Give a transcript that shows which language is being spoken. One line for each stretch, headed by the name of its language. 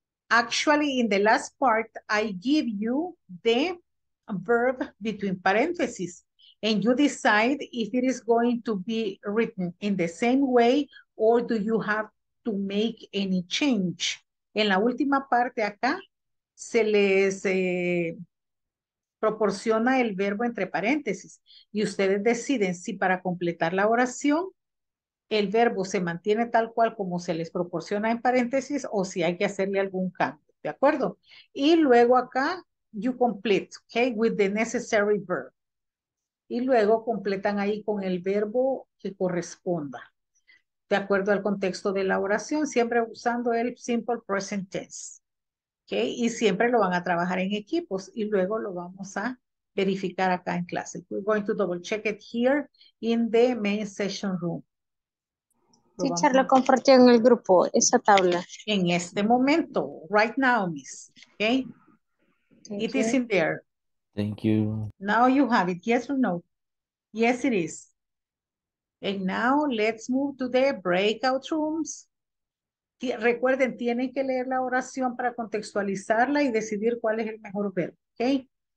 English: Actually, in the last part, I give you the verb between parentheses and you decide if it is going to be written in the same way or do you have to make any change.
Spanish: En la última parte acá, se les proporciona el verbo entre paréntesis y ustedes deciden si para completar la oración el verbo se mantiene tal cual como se les proporciona en paréntesis o si hay que hacerle algún cambio, ¿de acuerdo? Y luego acá,
English: you complete, okay, with the necessary verb.
Spanish: Y luego completan ahí con el verbo que corresponda, de acuerdo al contexto de la oración, siempre usando el simple present tense. ¿Okay? Y siempre lo van a trabajar en equipos y luego lo vamos a verificar acá en clase.
English: We're going to double check it here in the main session room.
Spanish: Teacher, lo compartió en el grupo, esa tabla. En este momento,
English: right now, miss. ¿Okay? It is in there. Thank you. Now you have it, yes or no? Yes, it is. And now let's move to the breakout rooms.
Spanish: Recuerden, tienen que leer la oración para contextualizarla y decidir cuál es el mejor verbo, okay?